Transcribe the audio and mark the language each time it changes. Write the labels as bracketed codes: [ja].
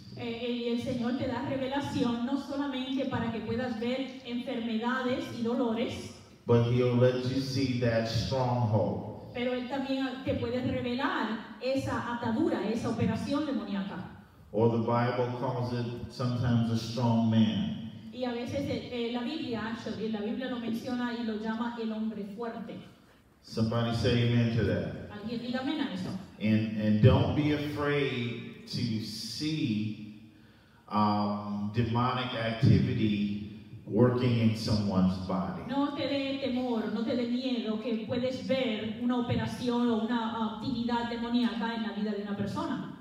[es] Y el Señor te da revelación no solamente para que puedas ver enfermedades y dolores, [en] but he'll let you see that stronghold. [es] Pero él también te puede revelar esa atadura, esa operación demoníaca. [en] Or the Bible calls it sometimes a strong man. [es] Y a veces la Biblia lo menciona y lo llama el hombre fuerte. [en] Somebody say amen to that. [es] Alguien diga amen a eso. [en] And don't be afraid to see demonic activity working in someone's body. [es] No te dé temor, no te dé miedo que puedes ver una operación o una actividad demoníaca en la vida de una persona.